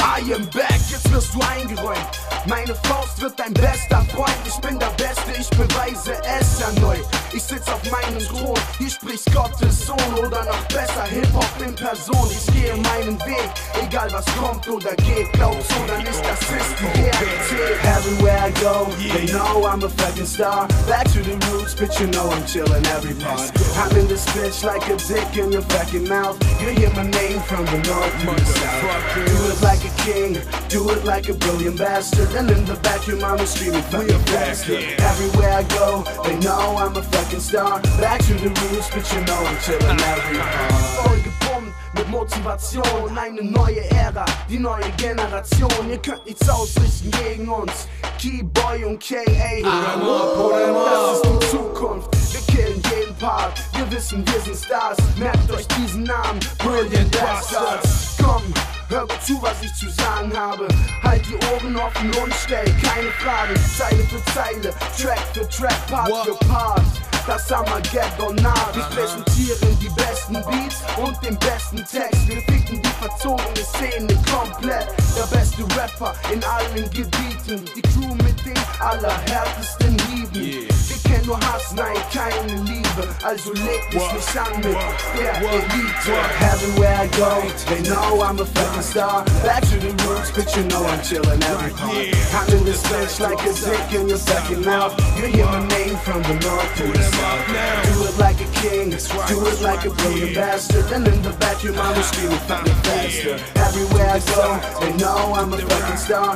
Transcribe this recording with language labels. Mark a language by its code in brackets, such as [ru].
[en] I am back, [de] jetzt wirst du eingeräumt. Meine Faust wird dein bester Freund. Ich bin der Beste, ich beweise es erneut. Ich sitz auf meinem Thron, hier spricht Gottes Sohn. Oder noch besser, Hip-Hop in Person. Ich gehe meinen Weg, egal was kommt oder geht. Glaubst du oder nicht, das ist die Realität. [en] Everywhere I go, they know I'm a fucking star. Back to the roots, but you know I'm chillin' every part. I'm in this bitch like a dick in your fucking mouth. You hear my name from the north to the south. Do it like a king, do it like a brilliant bastard. And in the bathroom I'm a screaming fucking bastard. Everywhere I go, they know I'm a fucking star. Back to the roots, but you know I'm chillin' every part. [de] Mit Motivation, eine neue Ära, die neue Generation. Ihr könnt nichts ausrichten gegen uns, Keyboy und K.A. Das ist die Zukunft, wir killen jeden Part. Wir wissen, wir sind Stars, merkt euch diesen Namen, Brilliant Bastards. Komm, hör gut zu, was ich zu sagen habe. Halt die Ohren offen und stell keine Fragen. Zeile für Zeile, Track für Track, Part für Part. Das Armageddon nah. Wir präsentieren die besten Beats und den besten Text. Wir ficken die verzogene Szene komplett. Der beste Rapper in allen Gebieten. Die Crew mit den allerhärtesten Hieben. Wir kennen nur Hass, nein, keine Liebe. Also leg mich nicht an mit der Elite. [en] Everywhere I go, they know I'm a fucking star. Back to the roots, but you know I'm chillin' every part. I'm in this bitch like a dick in your second mouth. You hear my name from the north to the south. Do it like a king, do it like a brilliant bastard. And in the bathroom I'm a screaming fucking faster. Everywhere I go, they know I'm a fucking star.